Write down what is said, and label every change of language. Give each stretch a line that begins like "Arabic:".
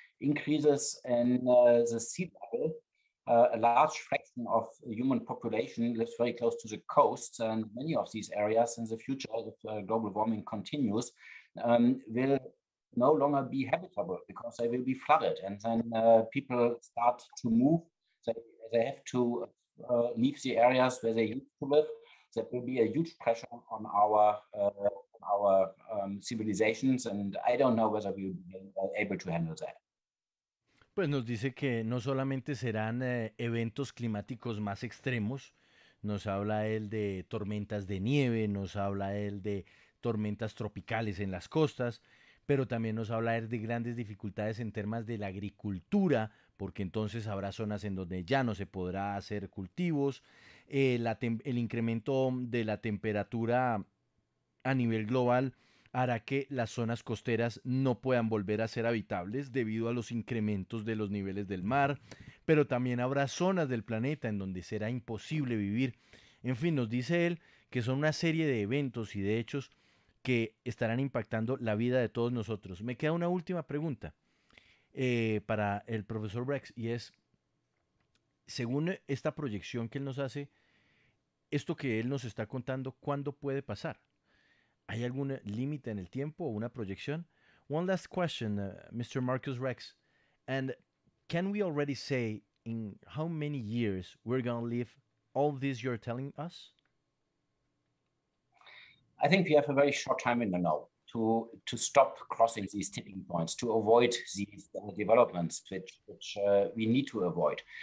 English: Increases in the sea level. A large fraction of human population lives very close to the coasts, and many of these areas in the future, if global warming continues, will no longer be habitable because they will be flooded. And then people start to move. They have to leave the areas where they used to live. That will be a huge pressure on our civilizations. And I don't know whether we'll be able to handle that.
Spanish: Pues nos dice que no solamente serán eventos climáticos más extremos, nos habla él de tormentas de nieve, nos habla él de tormentas tropicales en las costas, pero también nos habla él de grandes dificultades en temas de la agricultura, porque entonces habrá zonas en donde ya no se podrá hacer cultivos, el incremento de la temperatura a nivel global hará que las zonas costeras no puedan volver a ser habitables debido a los incrementos de los niveles del mar, pero también habrá zonas del planeta en donde será imposible vivir. En fin, nos dice él que son una serie de eventos y de hechos que estarán impactando la vida de todos nosotros. Me queda una última pregunta para el profesor Rex, y es, según esta proyección que él nos hace, esto que él nos está contando, ¿cuándo puede pasar? ¿Hay algún límite en el tiempo o una proyección?
English: One last question, Mr. Marcus Rex. And can we already say in how many years we're going to live all this you're telling us? I think we have a very short time in the know to stop crossing these tipping points, to avoid these developments which we need to avoid.